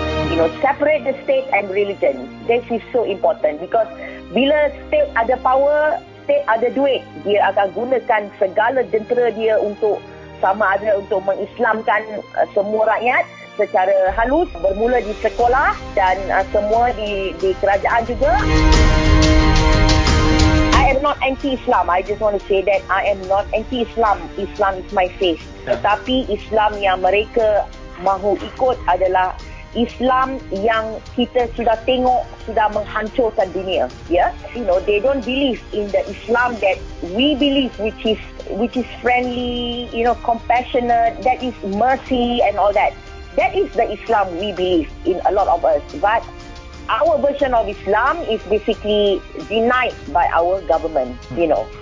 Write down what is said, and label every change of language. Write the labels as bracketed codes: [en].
[en] You know, separate the state and religion. This is so important because [ms] bila state ada power, state ada duit, dia akan gunakan segala jentera dia untuk sama ada untuk mengislamkan semua rakyat secara halus bermula di sekolah dan semua di kerajaan juga. [en] I am not anti-Islam. I just want to say that I am not anti-Islam. Islam is my faith. Yeah. [ms] Tetapi Islam yang mereka mahu ikut adalah Islam yang kita sudah tengok sudah menghancurkan dunia. Yeah? [en] You know, they don't believe in the Islam that we believe, which is friendly, you know, compassionate, that is mercy and all that. That is the Islam we believe in, a lot of us. But our version of Islam is basically denied by our government, you know.